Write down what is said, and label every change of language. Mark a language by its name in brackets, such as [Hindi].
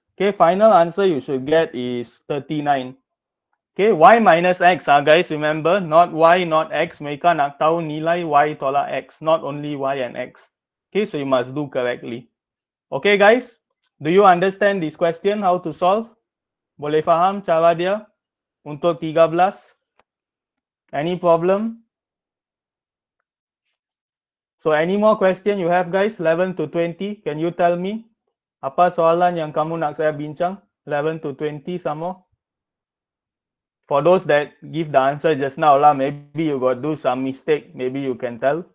[English] Okay, final answer you should get is 39. Okay, y minus x, guys, remember, not y, not x, [Malay] mereka nak tahu nilai y tolak x, [English] not only y and x. Okay, so you must do correctly. Okay, guys, do you understand this question, how to solve? [Malay] Boleh faham cara dia untuk 13? [English] Any problem? So any more question you have guys, 11 to 20, can you tell me? [Malay] Apa soalan yang kamu nak saya bincang? 11 to 20 sama? [English] For those that give the answer just now lah, maybe you got do some mistake, maybe you can tell.